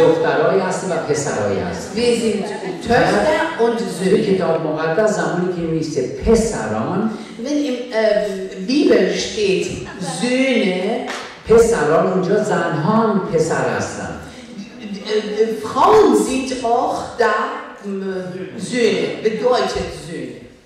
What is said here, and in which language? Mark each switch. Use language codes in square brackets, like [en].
[fa] دخترایی هستیم و پسرایی هستیم. [de] Wir sind Töchter und Söhne. [fa] کتاب مقدس زمانی که میگه پسران، [de] wenn im Bibel steht Söhne, [fa] پسران اونجا زنها هم پسر هستن. [de] Frauen sind auch da Söhne, bedeutet Söhne.